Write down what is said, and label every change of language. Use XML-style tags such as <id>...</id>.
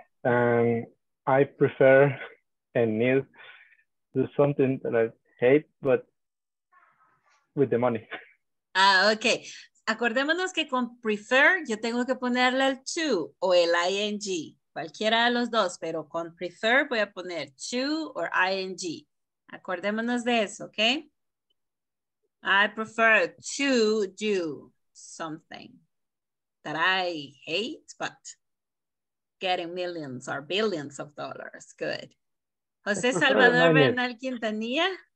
<en>I prefer and need to do something that I hate, but with the money. Ah, okay.</en> <es>Acordémonos que con prefer yo tengo que ponerle el to o el ing. Cualquiera de los dos, pero con prefer voy a poner to or ing. Acordémonos de eso,</es> <en>okay? I prefer to do something that I hate, but getting millions or billions of dollars. Good. José Salvador Bernal Quintanilla.</en>